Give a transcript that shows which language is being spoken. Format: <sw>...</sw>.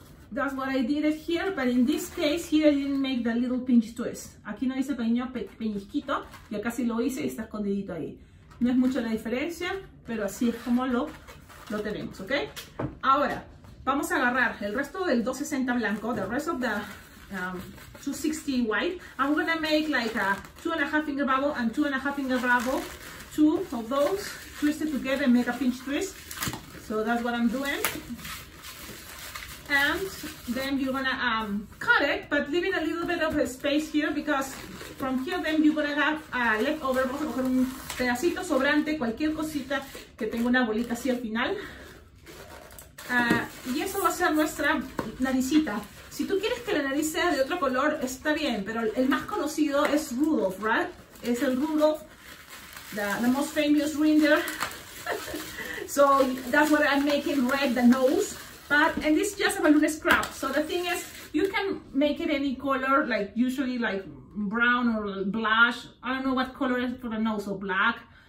<en>That's what I did it here, but in this case, here I didn't make the little pinch twist.</en> <es>Aquí no hice pequeño peñisquito, y acá sí lo hice y está escondidito ahí. No es mucho la diferencia, pero así es como lo lo tenemos, ¿ok? Ahora, vamos a agarrar el resto del 260 blanco,</es> <en>the rest of the 260 white. I'm gonna make like a 2.5 finger bubble and 2.5 finger bubble, two of those, twist it together and make a pinch twist. So that's what I'm doing. And then you're gonna cut it, but leaving a little bit of a space here, because from here then you're gonna have a leftover.</en> <es>Vamos a coger un pedacito sobrante, cualquier cosita que tenga una bolita así al final. Y eso va a ser nuestra naricita. Si tú quieres que la nariz sea de otro color, está bien, pero el más conocido es Rudolph, ¿verdad?</es> <en>Right?</en> <es>Es el</es> <en>Rudolph, the most famous reindeer. So that's what I'm making red, the nose. But, and this is just a balloon scrap. So the thing is, you can make it any color, like usually like brown or blush. I don't know what color is for the nose, or black.</en>